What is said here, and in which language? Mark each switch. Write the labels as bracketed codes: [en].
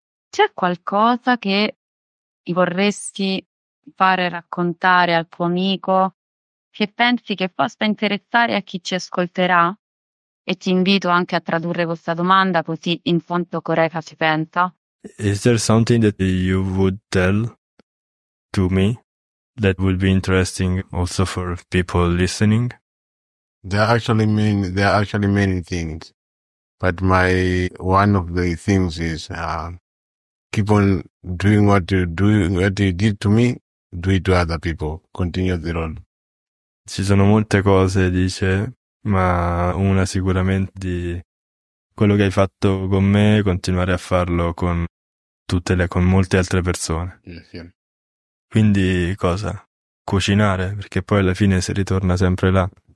[it] C'è qualcosa che vorresti fare raccontare al tuo amico, che pensi che possa interessare a chi ci ascolterà? E ti invito anche a tradurre questa domanda, così in fondo Corega ci pensa. [en] Is there something that you would tell to me that would be interesting also for people listening? There are actually many things, but one of the things is keep on doing what you did to me, do it to other people, continue the road. [it] Ci sono molte cose, dice, ma una sicuramente di quello che hai fatto con me, continuare a farlo con molte altre persone. [en] Yes, yes. [it] Quindi cosa? Cucinare, perché poi alla fine si ritorna sempre là.